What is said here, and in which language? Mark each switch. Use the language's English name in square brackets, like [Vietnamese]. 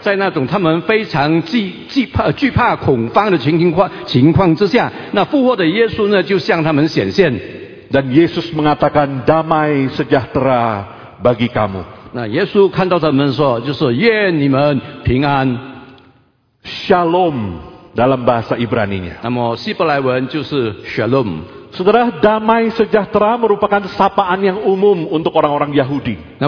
[Chinese] 在那种他们非常惧怕恐慌的情况之下，那复活的耶稣呢，就向他们显现。 [Indonesian] Dan Yesus mengatakan damai sejahtera bagi kamu. [Chinese] Nah, Yesus 看到他们说，就是愿你们平安。 [Indonesian] Shalom dalam bahasa Ibrani-nya. [Chinese] 那么希伯来文就是 shalom. [Indonesian] Saudara, damai sejahtera merupakan sapaan yang umum untuk orang-orang Yahudi.